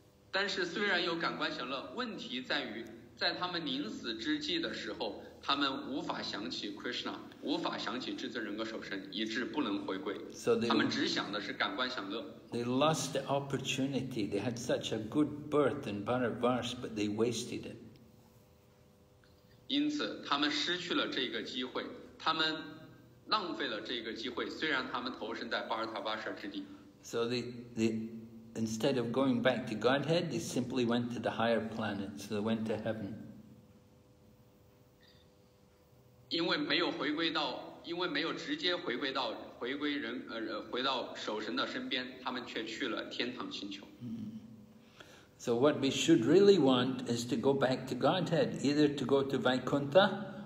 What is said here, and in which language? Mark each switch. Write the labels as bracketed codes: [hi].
[zh] 但是虽然有感官享乐，问题在于在他们临死之际的时候，他们无法想起 Krishna, 无法想起至尊人格守身，以致不能回归。 [en] So they, [zh] 他们只想的是感官享乐。 [en] They lost the opportunity. They had such a good birth in Bharatvarsha, but they wasted it. [zh] 因此他们失去了这个机会。他们浪费了这个机会，虽然他们投身在巴尔塔巴舍之地。 [en] So they instead of going back to Godhead, they simply went to the higher planets. So they went to heaven. [zh] 因为没有回归到，因为没有直接回归到回归人回到守神的身边，他们却去了天堂星球。 [en] So what we should really want is to go back to Godhead, either to go to Vaikuntha.